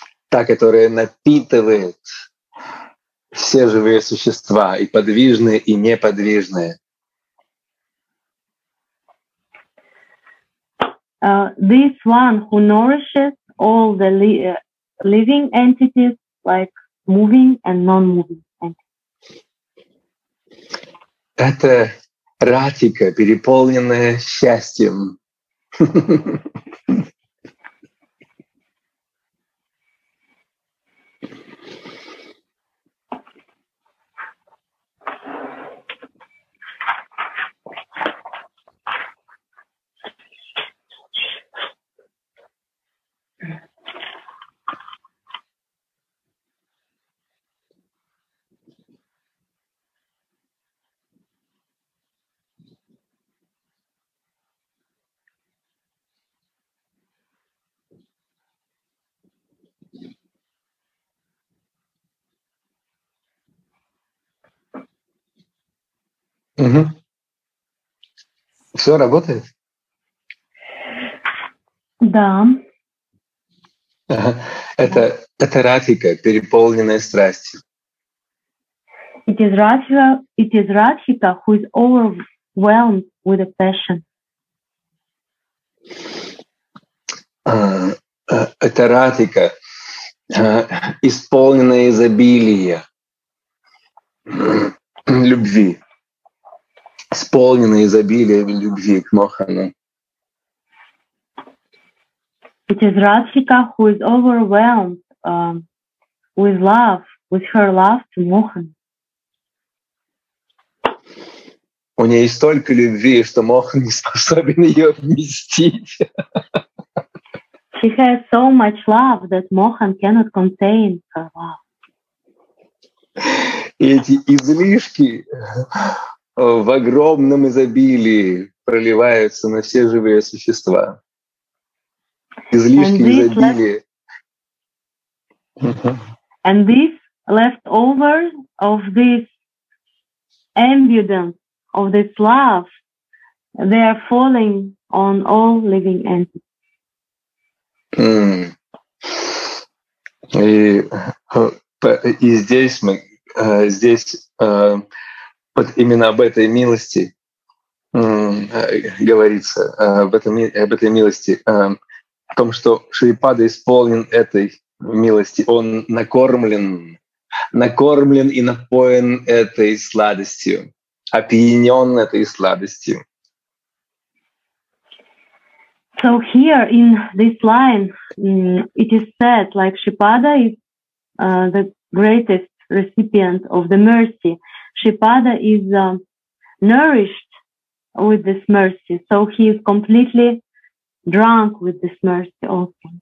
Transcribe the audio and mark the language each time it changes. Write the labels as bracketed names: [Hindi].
[Russian] Та, которая напитывает все живые существа, и подвижные, и неподвижные. [English] This one who nourishes all the living entities, like moving and non-moving entities. [Russian] Это Ратика, переполненная счастьем. Угу. Все работает? Да. Это Радхика, переполненная страстью. [English] It is Radhika who is overwhelmed with a passion. [Russian] Это Радхика, исполненная изобилия любви. Исполненное изобилие любви к Мохану. [English] It is Radhika who is overwhelmed with love, with her love to Mohan. [Russian] У нее столько любви, что Мохан не способен ее вместить. [English] She has so much love that Mohan cannot contain her love. [Russian] Эти излишки в огромном изобилии проливается на все живые существа. Излишки изобилия. [English] And this leftover of this abundance of this love, they are falling on all living entities. [Russian] И здесь мы вот именно об этой милости говорится, об этой милости, о том, что Шрипада исполнен этой милости. Он накормлен и напоен этой сладостью, опьянён этой сладостью. [English] So here in this line it is said, like Шрипада is the greatest recipient of the mercy. Шрипада is nourished with this mercy, so he is completely drunk with this mercy also.